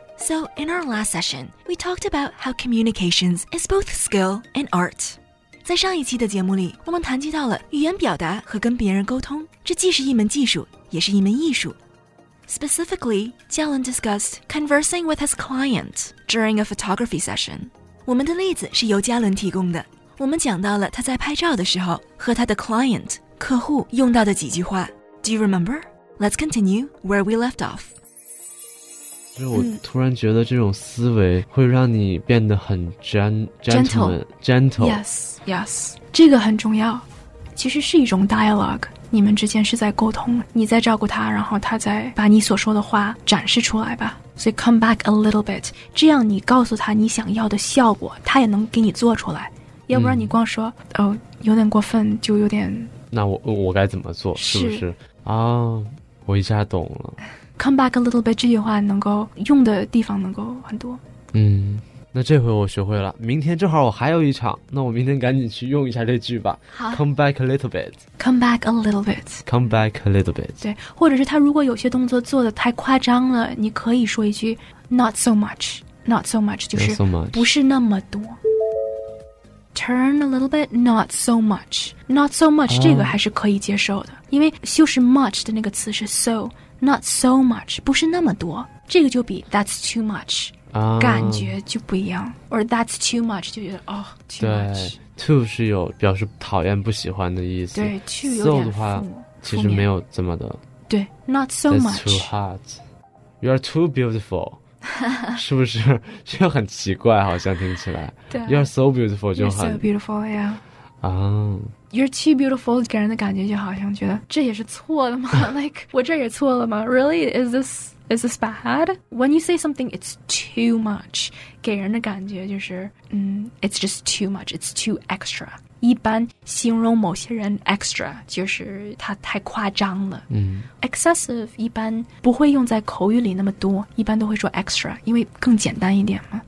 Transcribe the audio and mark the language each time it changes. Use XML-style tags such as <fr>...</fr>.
<en>So in our last session, we talked about how communications is both skill and art.</en> <zh>在上一期的节目里，我们谈及到了语言表达和跟别人沟通，这既是一门技术，也是一门艺术。</zh> <en>Specifically, Jialin discussed conversing with his client during a photography session.</en> <zh>我们的例子是由嘉伦提供的。我们讲到了他在拍照的时候和他的 client, 客户用到的几句话。</zh> <en>Do you remember? Let's continue where we left off.</en> <zh>就我突然觉得这种思维会让你变得很 gentle.</zh> <en>Yes, yes.</en> <zh>这个很重要。其实是一种 dialogue。你们之间是在沟通，你在照顾他，然后他再把你所说的话展示出来吧。所以</zh> <en>come back a little bit，</en> <zh>这样你告诉他你想要的效果，他也能给你做出来。要不然你光说，有点过分，就有点。那我该怎么做？是不是啊？我一下懂了。</zh> <en>Come back a little bit</en> <zh>这句话能够用的地方能够很多。嗯。那这回我学会了，明天正好我还有一场，那我明天赶紧去用一下这句吧。好，</zh> <en>Come back a little bit. Come back a little bit. Come back a little bit.</en> <zh>对，或者是他如果有些动作做得太夸张了，你可以说一句</zh> <en>Not so much. Not so much</en> <zh>就是不是那么多。</zh> <en>Turn a little bit, not so much. Not so much、</en> <zh>这个还是可以接受的，因为修饰 much 的那个词是 so.</zh> <en>Not so much</en> <zh>不是那么多，这个就比</zh> <en>that's too much</en> <zh>感觉就不一样</zh> <en>or that's too much</en> <zh>就觉得哦、</zh> <en>too much</en> <zh>对 too 是有表示讨厌不喜欢的意思对 too 有点负面、 so、的话其实没有这么的对</zh> <en>not so much that's too hot you are too beautiful</en> <zh>是不是就很奇怪好像听起来对</zh> <en>you are so beautiful</en> <zh>就很</zh> <en>you're so beautiful yeah、you're too beautiful</en> <zh>给人的感觉就好像觉得这也是错的吗</zh> <en>like</en> <zh>我这也错了吗</zh> <en>really is this bad? When you say something, it's too much.</en> <zh>给人的感觉就是、</zh> <en>it's just too much. It's too extra.</en> <zh>一般形容某些人 extra, 就是他太夸张了。嗯、 Excessive 一般不会用在口语里那么多，一般都会说 extra, 因为更简单一点嘛。</zh>